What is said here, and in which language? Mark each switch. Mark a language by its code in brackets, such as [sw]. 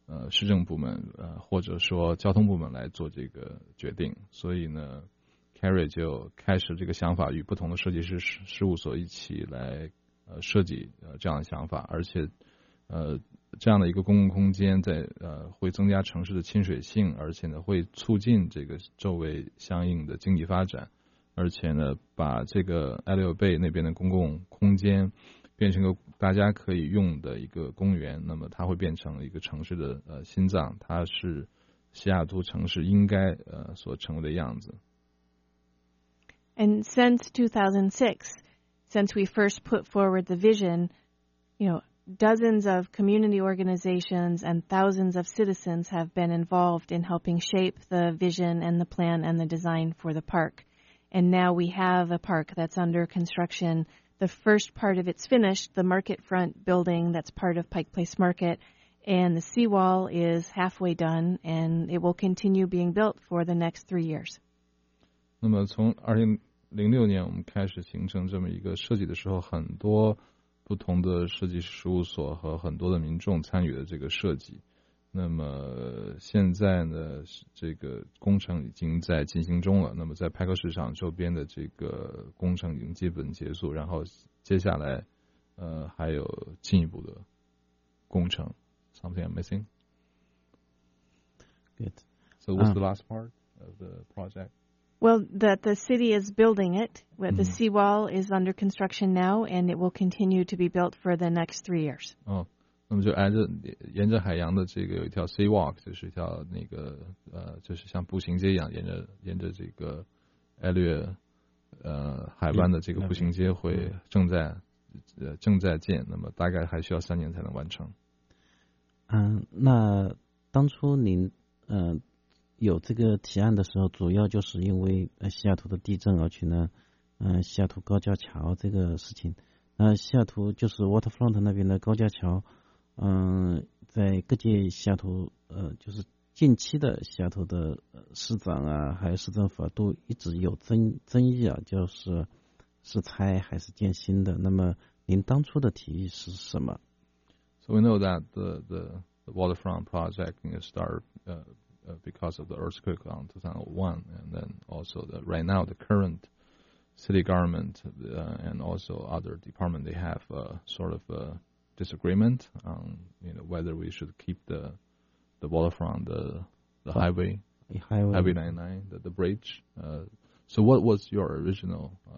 [zh] 市政部门或者说交通部门来做这个决定，所以呢 Carrie 就开始这个想法与不同的设计师事务所一起来设计这样的想法，而且这样的一个公共空间在会增加城市的亲水性，而且呢会促进这个周围相应的经济发展，而且呢把这个埃利奥贝那边的公共空间变成个大家可以用的一个公园，那么它会变成一个城市的心脏，它是西雅图城市应该所成为的样子。 [en] And since 2006, since we first put forward the vision, you know, dozens of community organizations and thousands of citizens have been involved in helping shape the vision and the plan and the design for the park. And now we have a park that's under construction. The first part of it's finished, the market front building that's part of Pike Place Market, and the seawall is halfway done, and it will continue being built for the next 3 years. [zh] 那么从2006年我们开始形成这么一个设计的时候，很多不同的设计师事务所和很多的民众参与了这个设计。那么现在呢，这个工程已经在进行中了。那么在派克市场周边的这个工程已经基本结束，然后接下来，还有进一步的工程。 [en] Something I'm missing? Good. So what's the last part of the project? Well, that the city is building it. Where the seawall is under construction now, and it will continue to be built for the next 3 years. [zh] 那么就沿着海洋的这个有一条 seawalk, 就是一条那个就是像步行街一样，沿着这个艾略海湾的这个步行街会正在建，那么大概还需要三年才能完成。那当初您有这个提案的时候，主要就是因为西雅图的地震而去呢，西雅图高架桥这个事情。那西雅图就是 waterfront 那边的高架桥。在各界西雅图就是近期的西雅图的市长啊还有市政府啊都一直有争议啊，就是拆还是建新的，那么您当初的提议是什么？ [en] So we know that the waterfront project is started because of the earthquake on 2001 and then also the right now the current city government and also other department they have a sort of a disagreement on you know whether we should keep the waterfront the highway 99 the bridge so what was your original